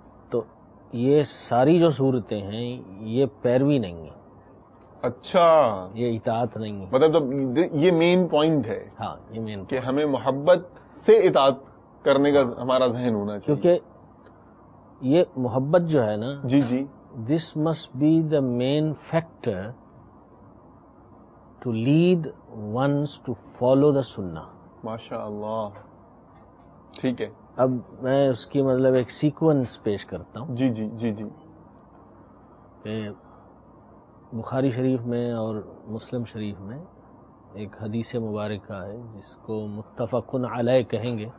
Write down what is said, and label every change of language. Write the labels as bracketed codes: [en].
[ur] تو یہ ساری جو صورتیں ہیں یہ پیروی نہیں ہے. اچھا, یہ اطاعت نہیں ہے. مطلب یہ مین پوائنٹ ہے. ہاں یہ مین کہ ہمیں محبت سے اطاعت کرنے کا ہمارا ذہن ہونا چاہیے, کیونکہ یہ محبت جو ہے نا جی جی [en] This must be the main factor to lead one's to follow the سنہ. [ur] ماشاء اللہ, ٹھیک ہے. اب میں اس کی مطلب ایک سیکوینس پیش کرتا ہوں. جی جی جی جی. بخاری شریف میں اور مسلم شریف میں ایک حدیث مبارکہ ہے جس کو متفقن علیہ کہیں گے,